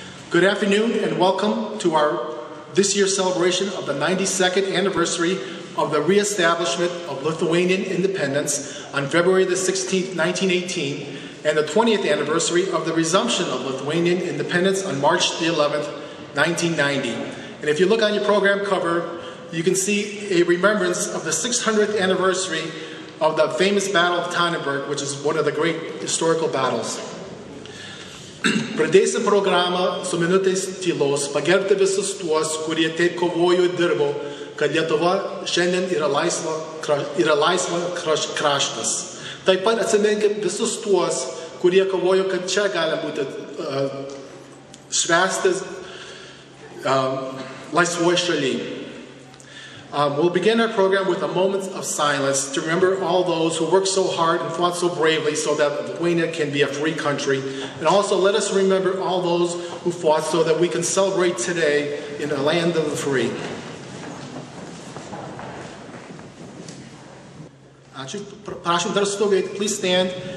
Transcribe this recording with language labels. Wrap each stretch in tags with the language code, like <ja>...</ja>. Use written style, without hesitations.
<en>Good afternoon and welcome to our this year's celebration of the 92nd anniversary of the reestablishment of Lithuanian independence on February the 16th, 1918, and the 20th anniversary of the resumption of Lithuanian independence on March the 11th, 1990. And if you look on your program cover, you can see a remembrance of the 600th anniversary of the famous Battle of Tannenberg, which is one of the great historical battles.</en> <lt>Pradėsim programą su minutės tylos, pagerbti visus tuos, kurie taip kovojo ir dirbo, kad Lietuva šiandien yra laisva kraštas. Taip pat atsiminkim visus tuos, kurie kovojo, kad čia gali būti švęstas laisvoje šalyje.</lt> <en>We'll begin our program with a moment of silence to remember all those who worked so hard and fought so bravely so that Lithuania can be a free country. And also let us remember all those who fought so that we can celebrate today in a land of the free. Please stand.</en>